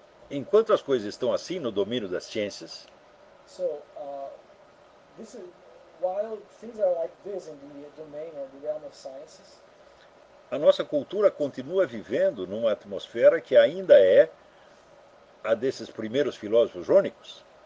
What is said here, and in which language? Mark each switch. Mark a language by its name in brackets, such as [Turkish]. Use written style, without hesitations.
[Portuguese] Enquanto as coisas estão assim no domínio das ciências, [English] so, this is, while things are like this in the domain or the realm of sciences, [Portuguese] a nossa cultura continua vivendo numa atmosfera que ainda é a desses primeiros filósofos jônicos.